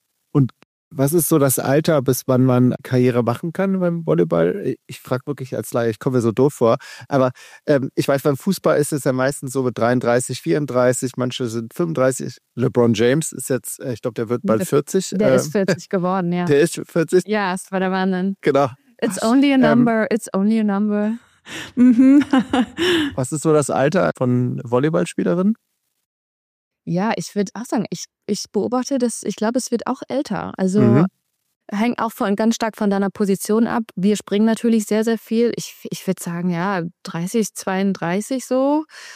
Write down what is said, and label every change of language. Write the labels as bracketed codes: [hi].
[de] Und was ist so das Alter, bis wann man Karriere machen kann beim Volleyball? Ich frage wirklich als Laie, ich komme mir so doof vor. Aber ich weiß, beim Fußball ist es ja meistens so mit 33, 34, manche sind 35. LeBron James ist jetzt, ich glaube, der wird bald 40. Der ist 40 geworden, ja. Der ist 40? Ja, ist bei der Wahnsinn. Genau. [en] It's only a number, it's only a number. [de] Was ist so das Alter von Volleyballspielerinnen? Ja, ich würde auch sagen, ich beobachte das, ich glaube, es wird auch älter. Also hängt auch von, ganz stark von deiner Position ab. Wir springen natürlich sehr, sehr viel. Ich würde sagen, ja, 30, 32 so.